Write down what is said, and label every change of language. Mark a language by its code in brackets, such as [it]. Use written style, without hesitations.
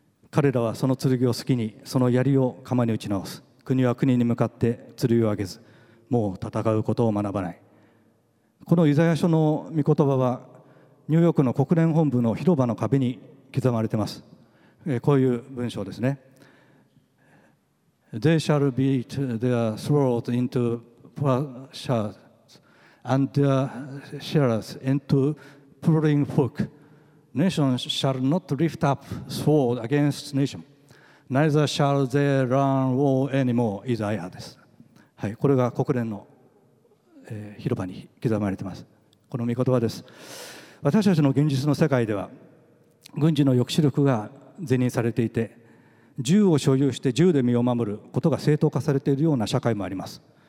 [ja] 彼らはその剣を好きに、その槍を鎌に打ち直す。国は国に向かって剣を上げず、もう戦うことを学ばない。このイザヤ書の御言葉はニューヨークの国連本部の広場の壁に刻まれています。こういう文章ですね。 [en] They shall beat their swords into plowshares and their shields into plowing fork. Nations shall not lift up sword against nation. Neither shall they run war anymore. [ja] Isaiah です。はい、これが国連の、広場に刻まれています。この御言葉です。私たちの現実の世界では軍事の抑止力が是認されていて、銃を所有して銃で身を守ることが正当化されているような社会もあります。